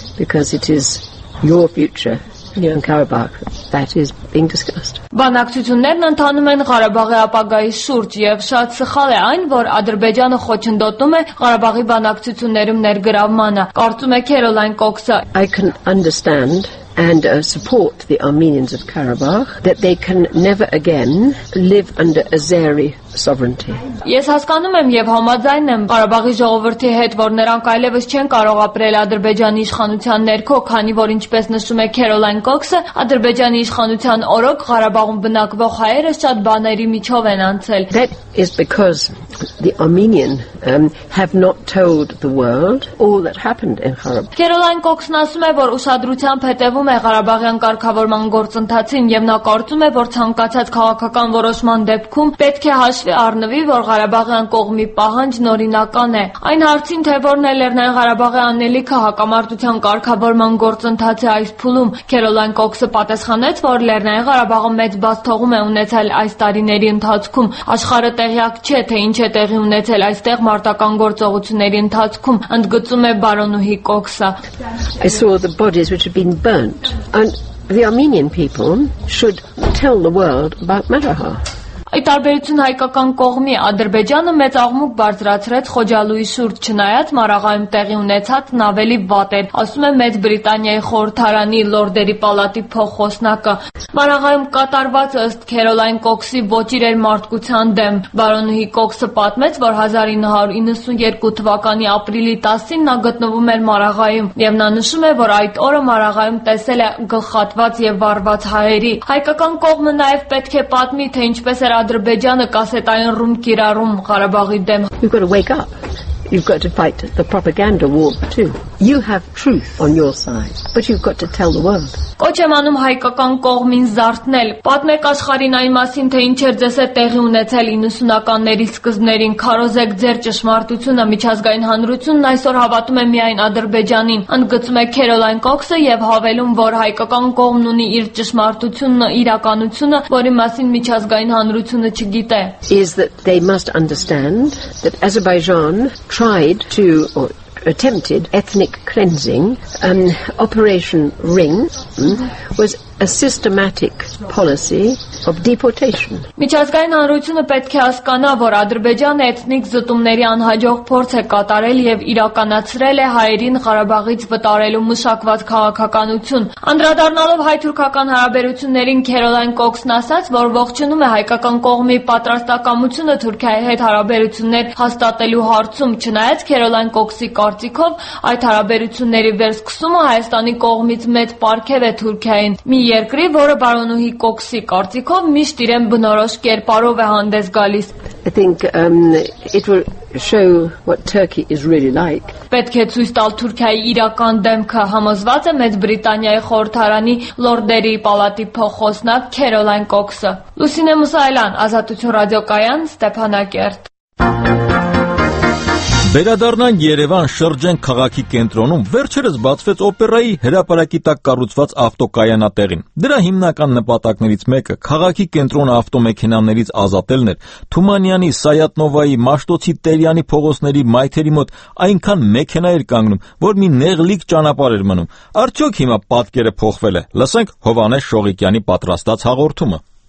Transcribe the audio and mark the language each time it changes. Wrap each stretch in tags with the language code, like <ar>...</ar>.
<en>Because it is your future. In Karabakh, that is being discussed.</en> <hy>Բանակցություններն ընդանում են Ղարաբաղի ապագայի շուրջ և շատ սխալ է այն, որ Ադրբեջանը խոչընդոտում է Ղարաբաղի բանակցություններում ներգրավմանը, կարծում է Քերոլայն Կոքսը.</hy> <en>I can understand and support the Armenians of Karabakh that they can never again live under Azeri sovereignty.</en> <hy>Ես հասկանում եմ եւ համաձայն եմ Ղարաբաղի ժողովրդի հետ, որ նրանք այլևս չեն կարող ապրել Ադրբեջանի իշխանության ներքո, քանի որ ինչպես նշում է Քերոլայն Կոքսը, Ադրբեջանի իշխանության օրոք Ղարաբաղում բնակվող հայերը շատ բաների միջով են անցել.</hy> <en>That is because the Armenian have not told the world all that happened in Karabakh.</en> <hy>Քերոլայն Կոքսն ասում է, որ ուշադրությամբ հետևում է Ղարաբաղյան կարգավորման գործընթացին եւ նա կարծում է, որ ցանկացած քաղաքական որոշման դեպքում պետք է հաշվի առնվի, որ Ղարաբաղյան կողմի պահանջն օրինական է։ Այն հարցին, թե որն է Լեռնային Ղարաբաղի անելիքը հակամարտության կարգավորման գործընթացի այս փուլում, Քերոլայն Կոքսը պատասխանեց, որ Լեռնային Ղարաբաղը մեծ բացթողում է ունեցել այս տարիների ընթացքում, աշխարհը տեղյակ չէ, թե ինչ է տեղի ունեցել այստեղ մարտական գործողությունների ընթացքում, ընդգծում է բարոնուհի Կոքսը։</hy> <en>The Armenian people should tell the world about Marahar.</en> <hy>Ի տարբերություն հայկական կողմի, Ադրբեջանը մեծ աղմուկ բարձրացրեց Խոջալույի շուրջ, չնայած Մարաղայում տեղի ունեցած նավելի վատ էր, ասում է Մեծ Բրիտանիայի խորհրդարանի լորդերի պալատի փոխոսնակը։ Մարաղայում կատարված ըստ Քերոլայն Կոքսի ոչ իրեր մարդկության դեմ, բարոնուհի Կոքսը պատմեց, որ 1992 թվականի ապրիլի 10-ին նա գտնվում էր Մարաղայում, եւ նա նշում է, որ այդ օրը Մարաղայում տեսել է գլխատված եւ վառված հայերի։ Հայկական կողմը նաեւ պետք է պատմի, թե ինչպես Ադրբեջանը կասետային ռում կիրառում Ղարաբաղի դեմ։</hy> <en>You've got to wake up. You've got to fight the propaganda war too. You have truth on your side, but you've got to tell the world.</en> <hy>Ոչ եմ անում հայկական կողմին զարթնել։ Պատմեք աշխարհին այն մասին, թե ինչեր ձեզ հետ տեղի ունեցել 90-ականների սկզբներին։ Քարոզեք ձեր ճշմարտությունը միջազգային հանրությունն այսօր հավատում է միայն Ադրբեջանին։ Ընդգծում է Քերոլայն Կոքսը եւ հավելում, որ հայկական կողմն ունի իր ճշմարտությունն ու իրականությունը, որի մասին միջազգային հանրությունը չգիտե։</hy> <en>Is that they must understand that Azerbaijan tried to attempted ethnic cleansing, Operation Ring was a systematic policy of deportation.</en> <hy>Միջազգային հանրությունը պետք է հասկանա, որ Ադրբեջանը էթնիկ զտումների անհաջող փորձ է կատարել եւ իրականացրել է հայերին Ղարաբաղից վտարելու մշակված քաղաքականություն։ Անդրադառնալով հայ-թուրքական հարաբերություններին, Քերոլայն Կոքսն ասաց, որ ողջունում է հայկական կողմի պատրաստակամությունը Թուրքիայի հետ հարաբերություններ հաստատելու հարցում, չնայած Քերոլայն Կոքսի կարծիքով այդ հարաբերությունների վերսկսումը Հայաստանի կողմից մեծ պարգև է Թուրքիային։ Մի երկրի, որը Բարոնուհի Կոքսի կարծիքով միշտ իրեն բնորոշ կերպարով է հանդես գալիս։</hy> <en>I think it will show what Turkey is really like.</en> <hy>Պետք է ցույց տալ Թուրքիայի իրական դեմքը, համոզված է Մեծ Բրիտանիայի խորհրդարանի Լորդերի պալատի փոխոսնակ Քերոլայն Կոքսը։ Լուսինե Մուսայելյան, Ազատություն ռադիոկայան, Ստեփանակերտ։ Վերադառնան Երևան, շրջեն քաղաքի կենտրոնում, վերջերս բացվեց օպերայի հրապարակի տակ կառուցված ավտոկայանատեղին։ Դրա հիմնական նպատակներից մեկը քաղաքի կենտրոն ավտոմեքենաներից ազատելն էր։ Թումանյանի, Սայատնովայի, Մաշտոցի, Տերյանի փողոցների մայթերի մոտ այնքան մեքենա էր կանգնում, որ մի նեղլիկ ճանապարհ էր մնում։ Արդյոք հիմա պատկերը փոխվել է։ Լսենք Հովանես Շողիկյանի պատրաստած հաղորդումը։</hy>